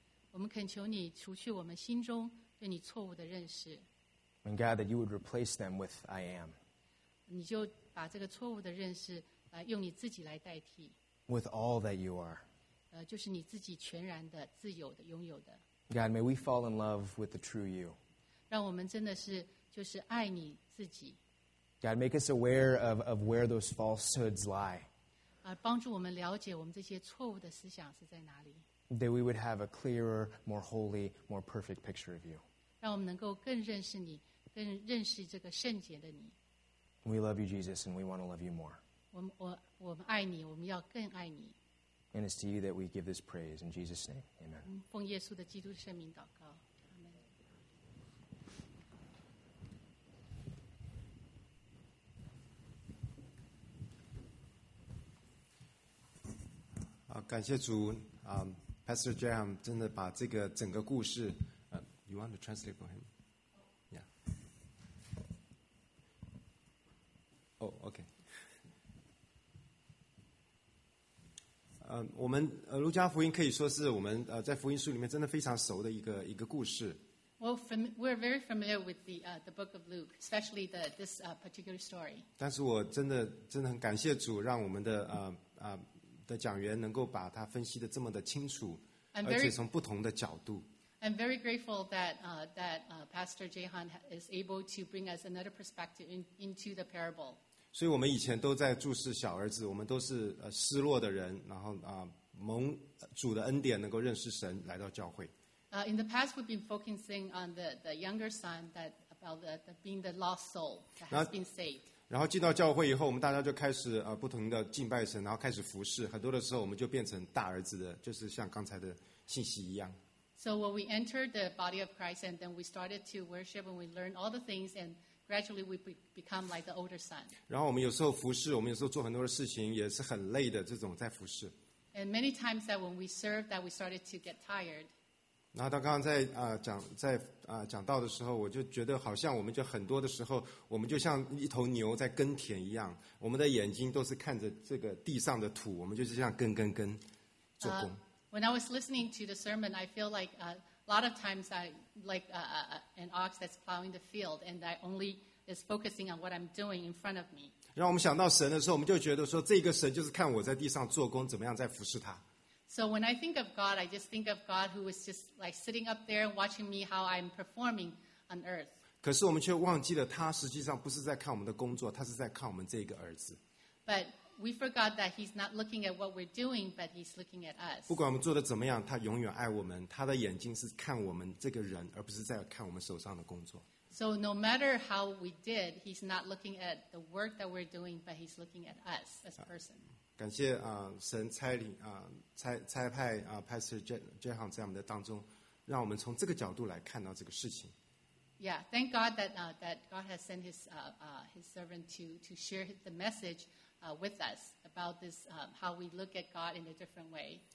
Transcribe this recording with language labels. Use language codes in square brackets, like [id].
[zh] 我们恳求你除去我们心中对你错误的认识。 [en] And God, that you would replace them with I am. [zh] 你就把这个错误的认识来用你自己来代替。 [en] With all that you are. [zh] 就是你自己全然的、自由的、拥有的。 [en] God, may we fall in love with the true you. [zh] 让我们真的是就是爱你自己。 [en] God, make us aware of where those falsehoods lie. [zh] 帮助我们了解我们这些错误的思想是在哪里。 [en] That we would have a clearer, more holy, more perfect picture of you. [zh] 让我们能够更认识你，更认识这个圣洁的你。 [en] We love you, Jesus, and we want to love you more. [zh] 我们爱你，我们要更爱你。 [en] And it's to you that we give this praise. In Jesus' name, amen. [zh] 奉耶稣的基督圣名祷告。感谢主、Pastor Jam 真的把这个整个故事、 [en] You want to translate for him? Yeah. Oh, okay. [zh] 我们、路加福音可以说是我们、在福音书里面真的非常熟的一个故事。 [en] Well, we're very familiar with the book of Luke, especially this particular story. [zh] 但是我真的很感谢主让我们的、的讲员能够把它分析得这么的清楚 [en] very, [zh] 而且从不同的角度 [en] I'm very grateful that, Pastor Jehan is able to bring us another perspective into the parable [zh] 所以我们以前都在注视小儿子我们都是、失落的人然后、蒙主的恩典能够认识神来到教会、 [en] In the past we've been focusing on the younger son that about the being the lost soul that has been saved [zh] 然后进到教会以后，我们大家就开始、不同的敬拜神，然后开始服侍。很多的时候，我们就变成大儿子的，就是像刚才的信息一样。 [en] So when we entered the body of Christ, and then we started to worship, and we learned all the things, and gradually we become like the older son. [zh] 然后我们有时候服侍，我们有时候做很多的事情，也是很累的。这种在服侍。 [en] And many times that when we served, that we started to get tired. [zh] 然后到刚刚在、讲到的时候我就觉得好像我们就很多的时候我们就像一头牛在耕田一样我们的眼睛都是看着这个地上的土我们就是像耕做工、 [en] When I was listening to the sermon I feel like a lot of times I like an ox that's plowing the field and I only is focusing on what I'm doing in front of me [zh] 让我们想到神的时候我们就觉得说这个神就是看我在地上做工怎么样在服侍他 [en] So when I think of God, I just think of God who was just like sitting up there watching me how I'm performing on earth. [zh] 可是我们却忘记了他实际上不是在看我们的工作，他是在看我们这个儿子。 [en] But we forgot that he's not looking at what we're doing, but he's looking at us. [zh] 不管我们做的怎么样，他永远爱我们，他的眼睛是看我们这个人，而不是在看我们手上的工作。 [en] So no matter how we did, he's not looking at the work that we're doing, but he's looking at us as a person. [zh] 感谢、神差领、差派、Pastor Jehan 在我们的当中，让我们从这个角度来看到这个事情。 [en] Yeah, thank God that that God has sent his servant to share the message with us about this how we look at God in a different way.